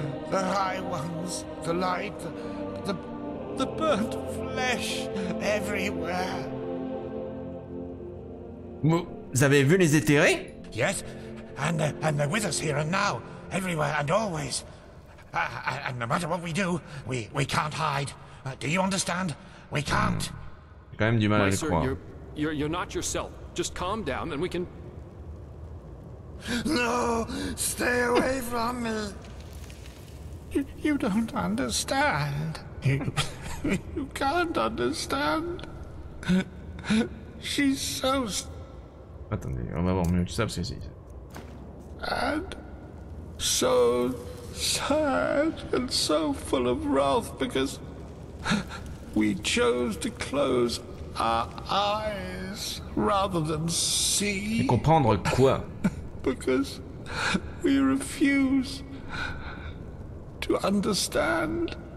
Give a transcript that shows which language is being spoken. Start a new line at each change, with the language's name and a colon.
English: The high ones, the light, the burnt flesh everywhere.
French: Vous avez vu les éthérés?
English: Yes, and they're with us here and now, everywhere and always. And no matter what we do, we can't hide. Do you understand? We can't.
French: J'ai quand même du mal à le croire.
English: You're not yourself. Just calm down and we can... No, stay away from me. You don't understand. You can't understand. She's so...
French: Attendez, on va voir mieux que ça, parce que c'est...
English: And so sad and so full of wrath because... We chose to close our eyes rather than see.
French: Et comprendre quoi?
English: Because we refuse to understand.